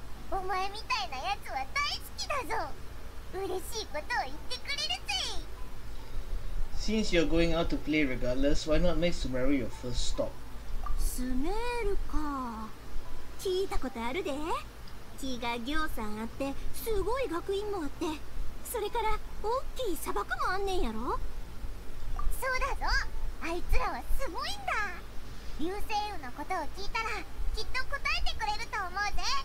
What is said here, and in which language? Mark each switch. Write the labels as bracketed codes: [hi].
[ja] お前みたいなやつは大好きだぞ。嬉しいことを言ってくれるぜ。 [en] Since you're going out to play regardless, why not make Sumeru your first stop? [ja] スメールか。聞いたことあるで。木が行さんあって、すごい学院もあって、それから大きい砂漠もあんねんやろ。そうだぞ。あいつらはすごいんだ。流星雨のことを聞いたら。きっと答えてくれると思うぜ。